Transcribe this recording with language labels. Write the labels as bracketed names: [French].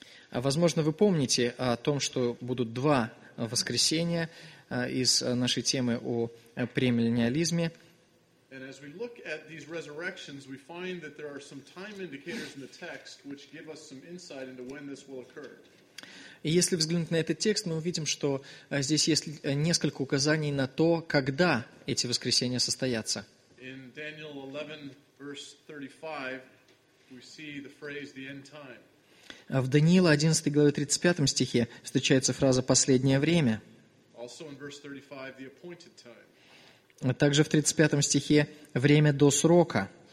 [Russian] Возможно, вы помните о том, что будут два воскресения из нашей темы о премиллениализме. [English] And as we look at these resurrections, we find that there are some time indicators in the text which give us some insight into when this will occur. [Russian] И если взглянуть на этот текст, мы увидим, что здесь есть несколько указаний на то, когда эти воскресения состоятся. [English] In Daniel 11, verse 35, we see the phrase the end time. [Russian] А в Даниила 11 главе 35 стихе встречается фраза последнее время. [English] Also in verse 35, the appointed time. [Russian] Также в 35 стихе «время до срока».